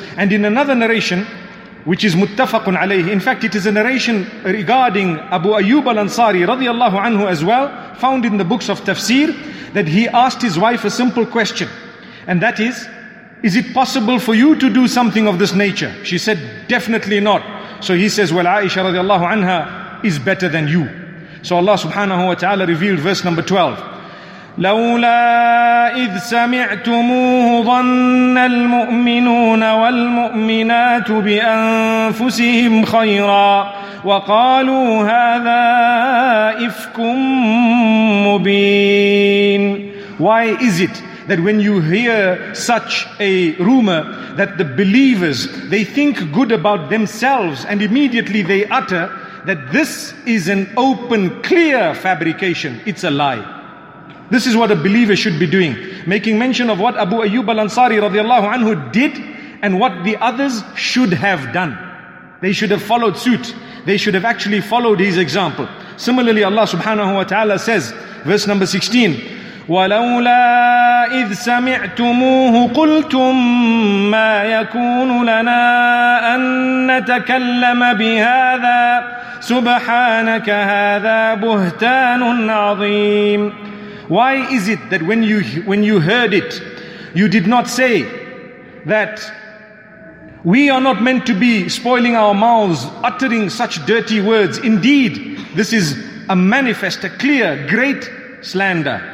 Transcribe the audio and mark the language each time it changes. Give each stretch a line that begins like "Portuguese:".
English: And in another narration, which is muttafaqun alayhi, in fact, it is a narration regarding Abu Ayyub al-Ansari radiallahu anhu as well, found in the books of tafsir, that he asked his wife a simple question, and that is it possible for you to do something of this nature? She said, "Definitely not." So he says, "Well, Aisha radiallahu anha is better than you." So Allah subhanahu wa ta'ala revealed verse number 12.
Arabic: لولا إذ سمعتموه ظن المؤمنون والمؤمنات بأنفسهم خيرا وقالوا هذا إفك مبين.
English: Why is it that when you hear such a rumor that the believers, they think good about themselves and immediately they utter that this is an open, clear fabrication, it's a lie? This is what a believer should be doing, making mention of what Abu Ayyub al-Ansari radiallahu anhu did and what the others should have done. They should have followed suit. They should have actually followed his example. Similarly, Allah subhanahu wa ta'ala says, verse number 16,
Arabic: وَلَوْلَا إِذْ سَمِعْتُمُوهُ قُلْتُمْ مَا يَكُونُ لَنَا أَن نَتَكَلَّمَ بِهَذَا سُبْحَانَكَ هَذَا بُهْتَانٌ عَظِيمٌ.
English: Why is it that when you heard it, you did not say that we are not meant to be spoiling our mouths, uttering such dirty words? Indeed, this is a manifest, a clear, great slander.